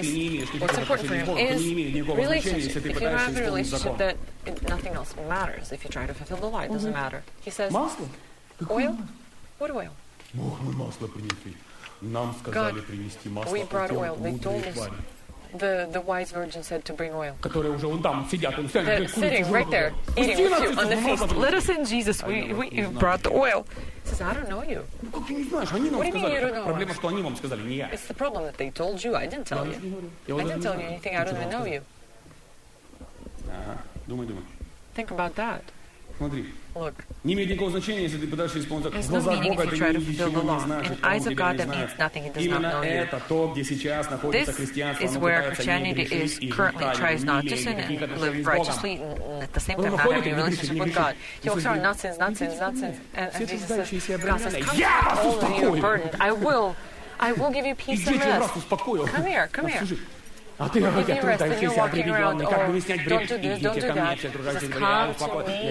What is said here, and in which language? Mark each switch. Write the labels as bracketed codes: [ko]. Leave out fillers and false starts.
[ru] И если ты не имеешь никакого отношения с Богом, то не имеет никакого значения, если ты пытаешься исполнить закон. [en] Nothing else matters if you try to fulfill the law. It doesn't matter. He says, [ru] масло? [en] Oil? What oil? [ru] Бог, мы масло принесли. Нам сказали принести масло. [en] We brought oil. They told us. The wise virgin said to bring oil. [ru] Которые уже вон там сидят. [en] Sitting right there, eating with you on the feast. Let us in, Jesus. We brought the oil. He says, I don't know you. [ru] Как ты не знаешь? Они нам сказали. Проблема, что они вам сказали, не я. [en] It's the problem that they told you. I didn't tell you. I didn't tell you anything. I don't even know you. [ru] Думай. [en] Think about that. [ru] Смотри. [en] Look. [ru] Не имеет никакого значения, если ты пытаешься исполнить закон. Глаза Бога, ты ничего не знаешь, что он тебя не знает. Именно это то, где сейчас находится христианство. [en] This is where Christianity is currently tries not to sin and live righteously and at the same time have a relationship with God. He walks around, nonsense. And Jesus says, God says, come here, I will give you peace and rest. Come here. [ru] А ты говоришь, я трудающийся, обременённый, как бы мне снять бремя? Идите ко мне, все трудящиеся, я успокою.